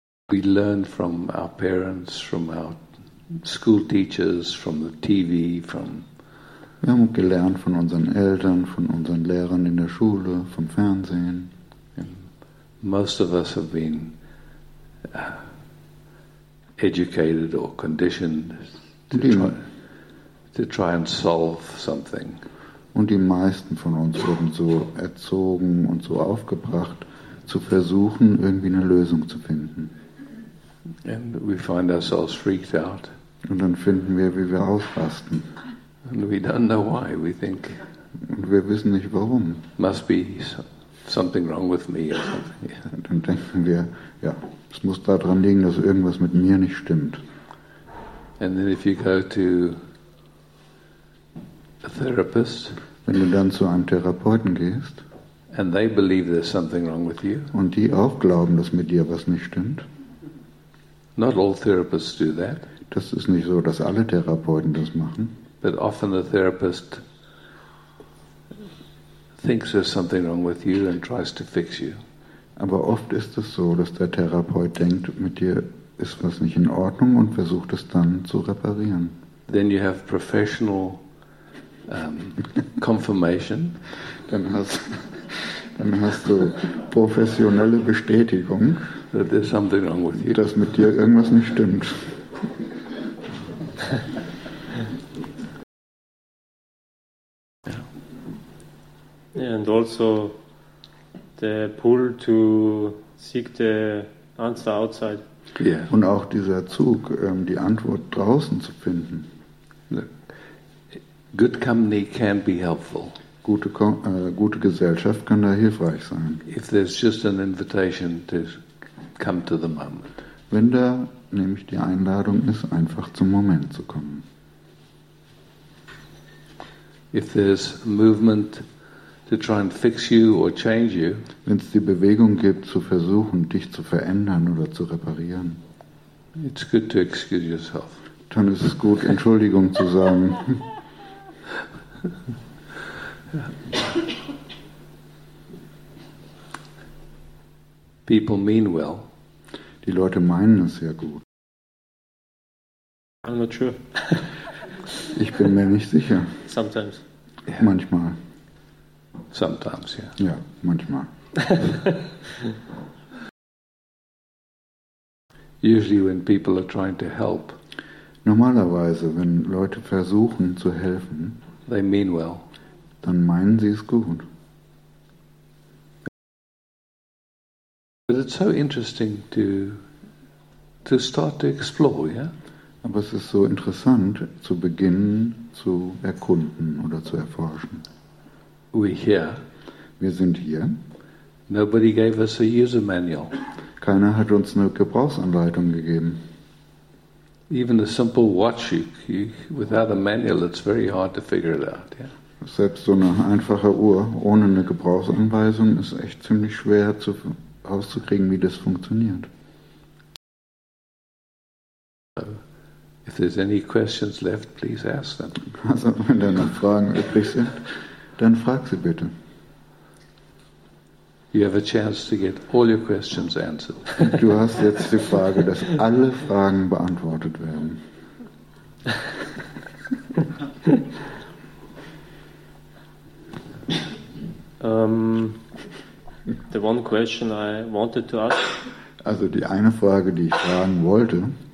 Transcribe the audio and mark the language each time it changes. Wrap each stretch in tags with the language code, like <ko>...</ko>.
<en>We learn from our parents, from our school teachers, from the TV, from.</en> <de>Wir haben gelernt von unseren Eltern, von unseren Lehrern in der Schule, vom Fernsehen.</de> <en>And most of us have been educated or conditioned to try and solve something.</en> <de>Und die meisten von uns wurden so erzogen und so aufgebracht, zu versuchen, irgendwie eine Lösung zu finden.</de> <en>And we find ourselves freaked out.</en> <de>Und dann finden wir, wie wir ausrasten.</de> <en>And we don't know why, we think.</en> <de>Und wir wissen nicht, warum.</de> <en>Must be something wrong with me or something.</en> <de>Und dann denken wir, ja, es muss daran liegen, dass irgendwas mit mir nicht stimmt.</de> <en>And then if you go to a therapist,</en> <de>wenn du dann zu einem Therapeuten gehst,</de> <en>and they believe there's something wrong with you,</en> <de>und die auch glauben, dass mit dir was nicht stimmt.</de> <en>Not all therapists do that.</en> <de>Das ist nicht so, dass alle Therapeuten das machen.</de> <en>But often the therapist thinks there's something wrong with you and tries to fix you.</en> <de>Aber oft ist es so, dass der Therapeut denkt, mit dir ist was nicht in Ordnung und versucht es dann zu reparieren.</de> <en>Then you have professional confirmation.</en> <de>Dann hast du professionelle Bestätigung,</de> <en>that there's something wrong with you.</en> <de>Dass mit dir irgendwas nicht stimmt.</de> <en>And also the pull to seek the answer outside. Yeah.</en> <de>Und auch dieser Zug, die Antwort draußen zu finden.</de> <en>Good company can be helpful.</en> <de>Gute Gesellschaft kann da hilfreich sein.</de> <en>If there's just an invitation to come to the moment.</en> <de>Wenn da nämlich die Einladung ist, einfach zum Moment zu kommen.</de> <en>If there's movement to try and fix you or change you.</en> <de>Wenn es die Bewegung gibt, zu versuchen, dich zu verändern oder zu reparieren.</de> <en>It's good to excuse yourself.</en> <de>Dann ist es gut, Entschuldigung zu sagen.</de> <en>People mean well.</en> <de>Die Leute meinen es sehr gut.</de> <en>I'm not sure.</en> <de>Ich bin mir nicht sicher.</de> <en>Sometimes.</en> <de>Manchmal.</de> <en>Sometimes, yeah.</en> <de>Ja, manchmal.</de> <en>Usually when people are trying to help.</en> <de>Normalerweise, wenn Leute versuchen zu helfen,</de> <en>they mean well.</en> <de>Dann meinen sie es gut.</de> <en>But it's so interesting to start to explore, yeah?</en> <de>Aber es ist so interessant, zu beginnen zu erkunden oder zu erforschen.</de> <en>We're here.</en> <de>Wir sind hier.</de> <en>Nobody gave us a user manual.</en> <de>Keiner hat uns eine Gebrauchsanleitung gegeben.</de> <en>Even a simple watch, without a manual, it's very hard to figure it out. Yeah.</en> <de>Selbst so eine einfache Uhr ohne eine Gebrauchsanweisung ist echt ziemlich schwer auszukriegen, wie das funktioniert.</de> <en>If there's any questions left, please ask them.</en> <de>Also, wenn da noch Fragen übrig sind. Dann frag sie bitte.</de> <en>You have a chance to get all your questions answered.</en> <de>Du hast jetzt die Frage, dass alle Fragen beantwortet werden.</de> <en>The one question I wanted to ask.</en> <de>Also die eine Frage, die ich fragen wollte,</de>